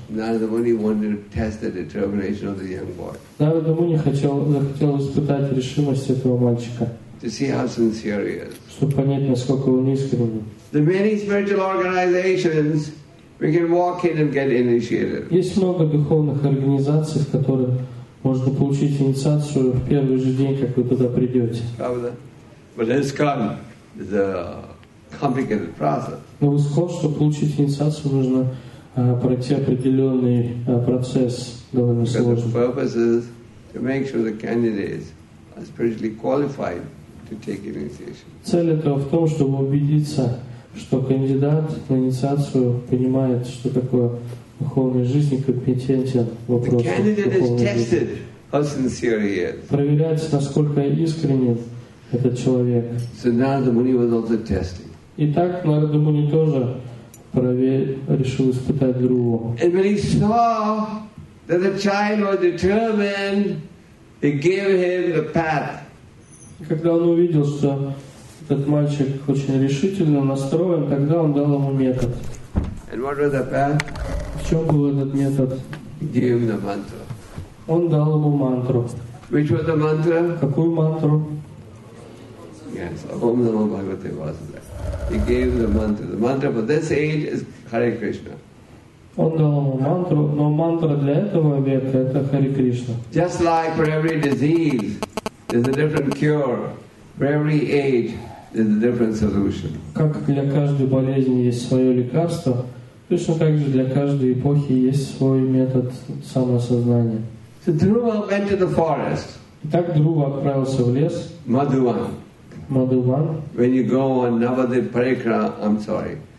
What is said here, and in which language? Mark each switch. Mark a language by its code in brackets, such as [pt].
[en] Narada Muni wanted to test the determination of the young boy. [ru] Narada Muni захотел испытать решимость этого мальчика. [en] To see how sincere he is. [ru] Чтобы понять, насколько он искренен. [en] The many spiritual organizations we can walk in and get initiated. [ru] Есть много духовных организаций, в которых можно получить инициацию в первый же день, как вы туда придете. Правда? [en] But ISKCON is a complicated process. [ru] Но в ISKCON, чтобы получить инициацию, нужно пройти определенный процесс довольно сложный. [en] The purpose is to make sure the candidates are spiritually qualified to take initiation. [ru] Цель этого в том, чтобы убедиться, что кандидат на инициацию понимает, что такое духовная жизнь, компетентен в вопросах духовной жизни. [en] The candidate is tested how sincere he is. [ru] Проверяется, насколько искренен этот человек. [en] So Narada Muni was also testing. [ru] Итак, Нарада Муни тоже решил испытать другого. [en] And when he saw that the child was determined, he gave him the path. [ru] Когда он увидел, что этот мальчик очень решительно настроен, тогда он дал ему метод. [en] And what was the path? [ru] В чем был этот метод? [en] He gave him the mantra. [ru] Он дал ему мантру. [en] Which was the mantra? [ru] Какую мантру? [en] Yes, [sa] Om Namo Bhagavate Vasudevaya. [en] He gave him the mantra. The mantra for this age is Hare Krishna. [ru] Он дал ему мантру, но мантра для этого века это Хари Кришна. [en] Just like for every disease, there's a different cure. For every age, there's a different solution. [ru] Как для каждой болезни есть свое лекарство, точно так же для каждой эпохи есть свой метод самосознания. [en] So Dhruva went to the forest. [ru] Итак, Друва отправился в лес. [en] Madhuvan. When you go on Navadvip Parikrama, I'm sorry.